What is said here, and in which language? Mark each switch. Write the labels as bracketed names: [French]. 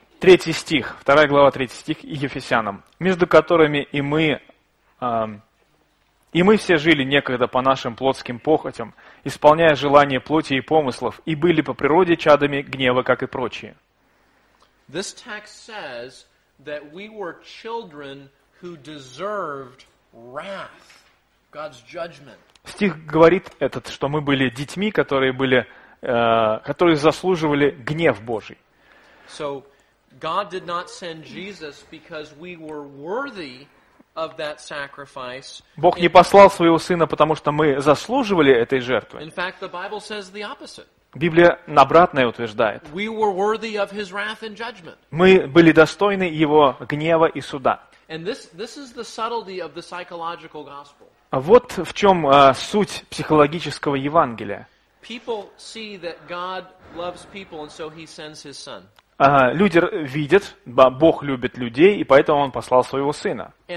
[Russian] Третий стих, вторая глава, третий стих Ефесянам. «Между которыми и мы все жили некогда по нашим плотским похотям, исполняя желания плоти и помыслов, и были по природе чадами гнева, как и прочие». [English] This text says that we were children who deserved wrath, God's judgment. [Russian] Стих говорит этот, что мы были детьми, которые заслуживали гнев Божий. [English] So, God did not send Jesus because we were worthy of that sacrifice. [Russian] Бог не послал своего сына, потому что мы заслуживали этой жертвы. [English] In fact, the Bible says the opposite. [Russian] Библия обратное утверждает. [English] We were worthy of his wrath and judgment. [Russian] Мы были достойны его гнева и суда. [English] And this is the subtlety of the psychological gospel. [Russian] Вот в чем суть психологического Евангелия. [English] People see that God loves people and so he sends his son. [Russian] Люди видят, Бог любит людей, и поэтому Он послал Своего Сына.